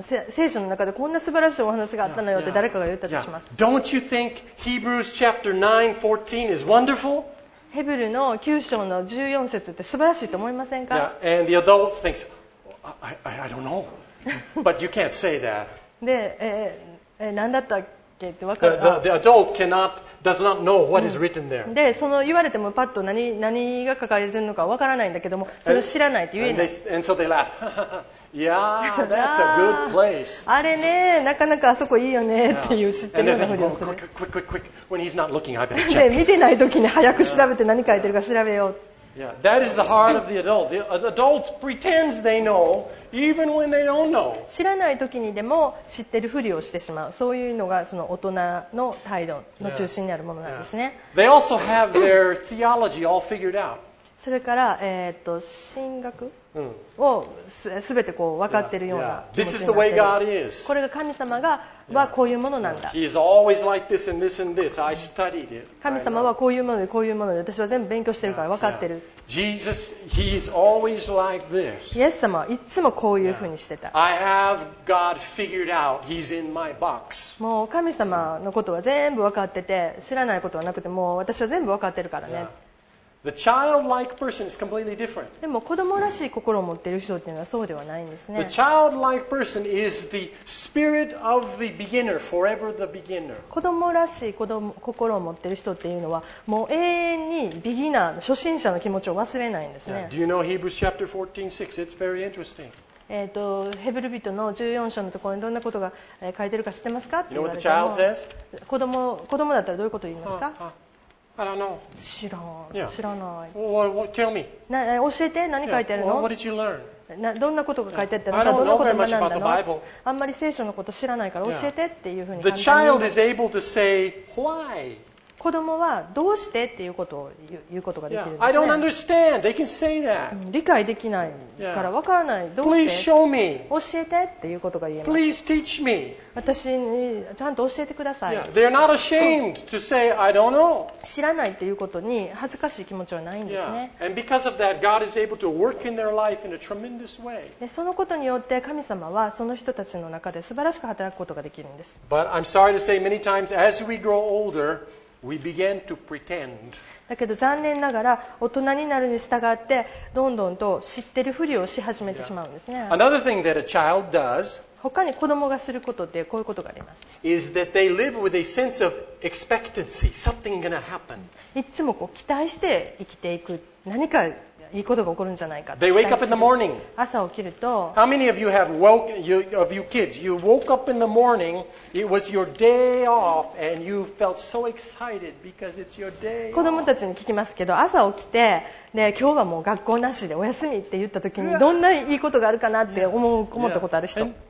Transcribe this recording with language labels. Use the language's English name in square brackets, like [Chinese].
[Japanese] 聖書の中でこんな素晴らしいお話があったのよって誰かが言ったとします。 [English] Don't you think Hebrews chapter 9:14 is wonderful? [Japanese] ヘブルの9章の14節って素晴らしいと思いませんか？ [English] Yeah, and the adults think, I don't know, but you can't say that. [Japanese] で、何だったっけって分かる。 [English] The adult cannot, does not know what is written there. [Japanese] で、その言われてもパッと 何が書かれてるのか分からないんだけども、それを知らないって言えない。 [English] And so they laugh. Yeah, that's a good place. [Japanese] あれね、なかなかあそこいいよねっていう知ってるようなふりをする。 [English] Quick. When he's not looking, I better check. [Japanese] 見てない時に早く調べて何書いてるか調べよう。 [English] Yeah, that is the heart of the adult. The adult pretends they know, even when they don't know. [Japanese] 知らない時にでも知ってるふりをしてしまう。そういうのがその大人の態度の中心にあるものなんですね。 [English] They also have their theology all figured out. [Japanese] それから、神学をすべてこう分かっているような気持ちになっている。これが神様がはこういうものなんだ。神様はこういうものでこういうもので私は全部勉強しているから分かっている。 [English] Jesus, he is always like this. [Japanese] イエス様はいつもこういうふうにしてた。 [English] I have God figured out. He's in my box. [Japanese] もう神様のことは全部分かってて知らないことはなくてもう私は全部分かっているからね。 [English] The childlike person is completely different. [Japanese] でも子供らしい心を持っている人っていうのはそうではないんですね。 [English] The childlike person is the spirit of the beginner, forever the beginner. [Japanese] 子供らしい心を持っている人っていうのはもう永遠にビギナー、初心者の気持ちを忘れないんですね。 [English] Do you know Hebrews chapter 14:6? It's very interesting. [Japanese] ヘブル人の14章のところにどんなことが書いてるか知ってますか？って言われても [English] 。You know what the child says? [Japanese] 子供だったらどういうことを言いますか？ [English] I don't know. [Japanese] 知らない。Yeah. 知らない。 [English] Tell me. [Japanese] 教えて。何書いてあるの？ [English] What did you learn? [Japanese] どんなことが書いてあったのか。 [English] Yeah. [Japanese] どんなことを学んだの？あんまり聖書のこと知らないから教えてっていうふうに。 [English] The child is able to say why. [Japanese] 子供はどうしてっていうことを言うことができるんですね。 [English] I don't understand. They can say that. [Japanese] 理解できないからわからない。どうして？ [English] Please show me. [Japanese] 教えてっていうことが言えます。 [English] Please teach me. [Japanese] 私にちゃんと教えてください。 [English] Yeah. They're not ashamed to say I don't know. [Japanese] 知らないっていうことに恥ずかしい気持ちはないんですね。 [English] Yeah. And because of that, God is able to work in their life in a tremendous way. [Japanese] で、そのことによって神様はその人たちの中で素晴らしく働くことができるんです。 [English] But I'm sorry to say many times as we grow older,We began to pretend. [Japanese] だけど残念ながら大人になるに従ってどんどんと知ってるふりをし始めてしまうんですね。 [English] Another thing that a child does, [Japanese] 他に子供がすることってこういうことがあります。 [English] Is that they live with a sense of expectancy. Something gonna happen. [Japanese] いつもこう期待して生きていく。何かいいことが起こるんじゃないか。 [English] They wake up in the morning. [Japanese] 朝起きると。 [English] How many of you have woke of you kids? You woke up in the morning. It was your day off, and you felt so excited because it's your day off. [Japanese] 子供たちに聞きますけど、朝起きて、ね、今日はもう学校なしでお休みって言った時にどんないいことがあるかなって思ったことある人。